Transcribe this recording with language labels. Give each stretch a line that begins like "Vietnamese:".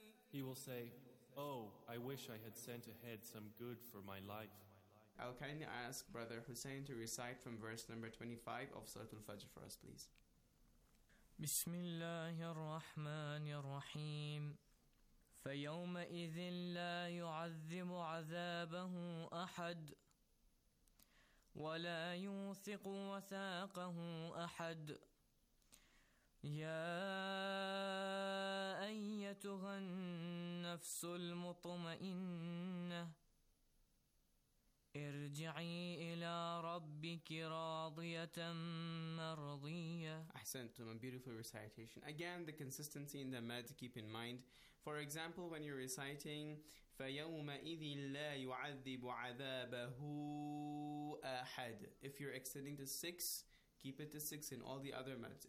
English: He will say, oh, I wish I had sent ahead some good for my life. I'll kindly ask Brother Hussein to recite from verse number 25 of Surah Al-Fajr for us, please. Bismillahirrahmanirrahim.
Arabic: فيومئذ لا يعذب عذابه أحد ولا يوثق وثاقه أحد. يا أيتها النفس المطمئنة ارجعي إلى ربك راضية مرضية. أحسنتم.
English: A beautiful recitation. Again, the consistency in the med, keep in mind. For example, when you're reciting
Arabic: فَيَوْمَئِذِ لَا يُعَذِّبُ عَذَابَهُ أَحَدٍ,
English: if you're extending to six, keep it to six in all the other meds.